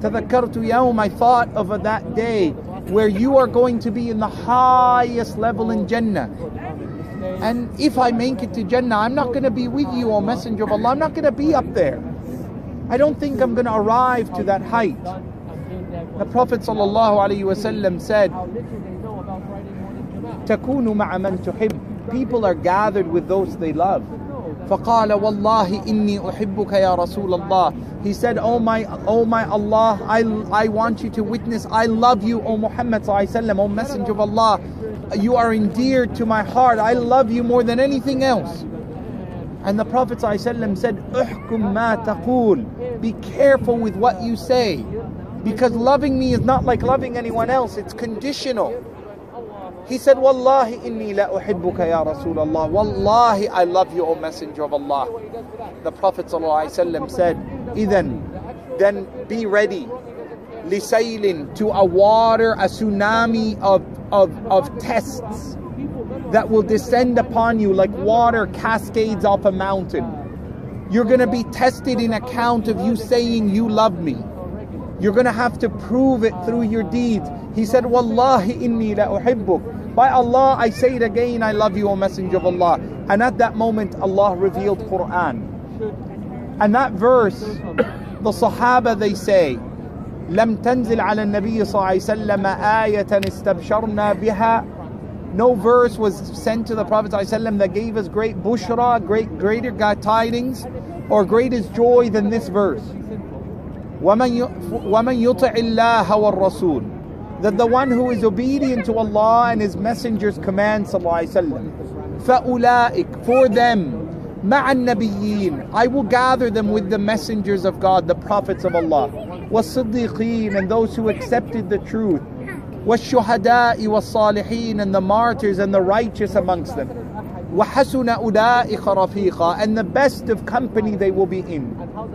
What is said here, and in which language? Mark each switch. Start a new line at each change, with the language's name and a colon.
Arabic: تَذَكَّرْتُ يَوْمَ.
English: I thought of that day where you are going to be in the highest level in Jannah. And if I make it to Jannah, I'm not going to be with you, O Messenger of Allah. I'm not going to be up there. I don't think I'm going to arrive to that height. The Prophet ﷺ said, تَكُونُ مَعَ مَنْ تُحِبْ. People are gathered with those they love.
Arabic: فَقَالَ وَاللَّهِ إِنِّي أُحِبُّكَ يَا رَسُولَ اللَّهِ.
English: He said, Oh my Allah, I want you to witness, I love you, O Muhammad صلى الله عليه وسلم, O Messenger of Allah. You are endeared to my heart. I love you more than anything else. And the Prophet صلى الله عليه وسلم said, أُحْكُمْ مَا تَقُولُ. Be careful with what you say. Because loving me is not like loving anyone else. It's conditional. He said, Wallahi inni la uhibbuka ya Rasulallah. Wallahi, I love you, O Messenger of Allah. The Prophet ﷺ said, Then be ready. Lisailin, to a water, a tsunami of tests that will descend upon you like water cascades off a mountain. You're going to be tested in account of you saying you love me. You're going to have to prove it through your deeds. He said, Wallahi inni la uhibbuk. By Allah, I say it again, I love you, O Messenger of Allah. And at that moment, Allah revealed Quran. And that verse, the Sahaba, they say, لَمْ تَنْزِلْ عَلَى النَّبِيِّ صَلَى اللَّهِ سَلَّمَ آيَةً اسْتَبْشَرْنَا بِهَا. No verse was sent to the Prophet ﷺ that gave us great bushra, greater tidings, or greatest joy than this verse.
Arabic: وَمَنْ يُطِعِ اللَّهَ وَالرَّسُولِ.
English: That the one who is obedient to Allah and His Messenger's command, sallallahu alayhi wa sallam, فَأُولَٰئِكَ, for them, مَعَ النَّبِيِّينَ, I will gather them with the messengers of God, the prophets of Allah, وَالصِّدِّقِينَ, and those who accepted the truth, وَالشُّهَدَاءِ وَالصَّالِحِينَ, and the martyrs and the righteous amongst them, وَحَسُنَ أُولَٰئِكَ رَفِيقًا, and the best of company they will be in.